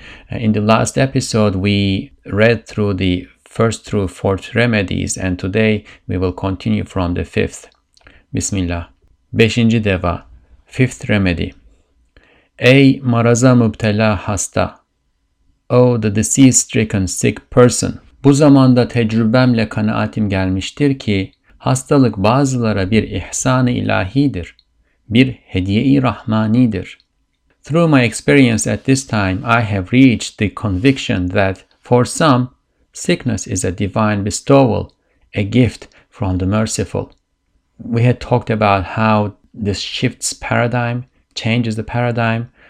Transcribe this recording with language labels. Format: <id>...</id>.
<en>In the last episode, we read through the first through fourth remedies, and today we will continue from the fifth. Bismillah.</en> <tr>Beşinci deva,</tr> <en>fifth remedy.</en> <tr>Ey maraza mübtela hasta.</tr> <en>O the disease-stricken sick person.</en> <tr>Bu zamanda tecrübemle kanaatim gelmiştir ki, hastalık bazılara bir ihsan-ı ilahidir, bir hediye-i rahmanidir.</tr> <en>Through my experience at this time, I have reached the conviction that for some, sickness is a divine bestowal, a gift from the merciful. We had talked about how this shifts paradigm, changes the paradigm.</en>